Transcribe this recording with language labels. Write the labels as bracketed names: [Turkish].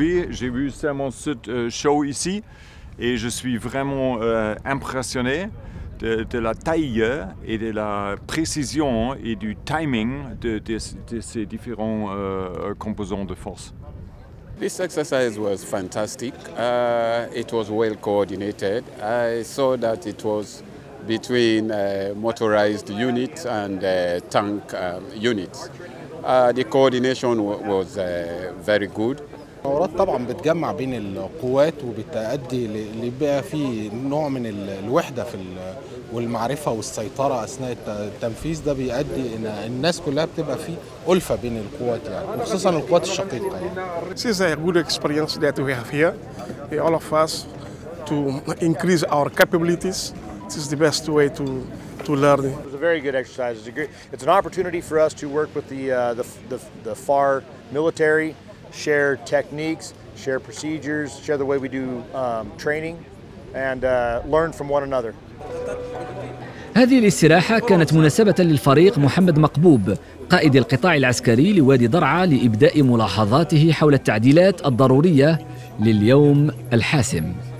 [French] J'ai vu seulement cette show ici et je suis vraiment impressionné de la taille et de la précision et du timing de ces différents composants de force. [English] This exercise was fantastic. It was well coordinated. I saw that it was between motorized unit and tank units. The coordination was very good. [Arabic] المناورات طبعا بتجمع بين القوات وبتؤدي لبقى في نوع من الوحده في والمعرفه والسيطره اثناء التنفيذ. ده بيؤدي ان الناس كلها بتبقى في الفه بين القوات يعني وخصوصا القوات الشقيقه يعني. [English] This is a good experience that we have here. We all of us to increase our capabilities. This is the best way to learn. It was a very good exercise. It's an opportunity for us to work with the FAR military. Share techniques, share procedures, share the way we do training, and learn from one another. [Arabic] هذه الاستراحة كانت مناسبة للفريق محمد مقبوب قائد القطاع العسكري لوادي درعا لإبداء ملاحظاته حول التعديلات الضرورية لليوم الحاسم.